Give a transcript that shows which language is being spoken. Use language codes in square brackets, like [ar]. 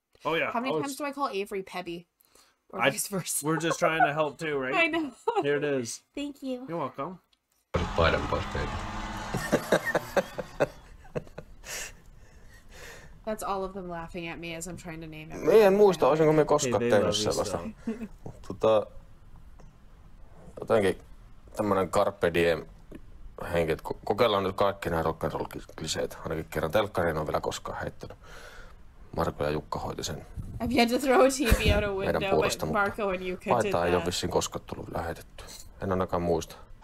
[en] Oh, yeah. How many times do I call Avery Pebby? Or vice versa. We're just trying to help too, right? I know. Here it is. Thank you. You're welcome. Put a button, push, baby. That's all of them laughing at me as I'm trying to name it. [fi] Me en muista, olisinko me koskaan tehnyt sellaista. Mutta jotenkin tämmönen carpe diem henki, että kokeillaan nyt kaikki nämä rock'n'roll-kliseet. Ainakin kerran telkkariin on vielä koskaan heittänyt. Marko ja Jukka hoiti sen. [en] I've yet to throw a TV out a window, puolesta, but Marco and Jukka did that. [fi] Paitaa ei ole vissiin koskaan tullut lähetetty. En ainakaan muista.